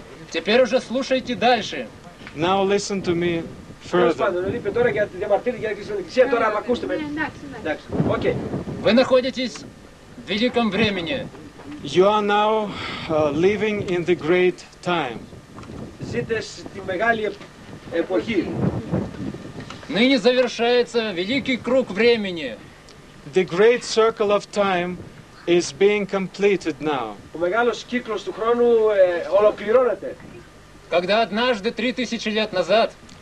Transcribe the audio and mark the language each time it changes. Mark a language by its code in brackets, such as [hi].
[ru] Теперь уже слушайте дальше. [en] Now listen to me further. [ru] Вы находитесь в великом времени. [en] You are now living in the great time. Жите в мегале. [ru] Ныне завершается великий круг времени. [en] The great circle of time is being completed now. [el] Ο μεγάλος κύκλος του χρόνου ολοκληρώνεται. [ru] Когда однажды 3000 лет назад,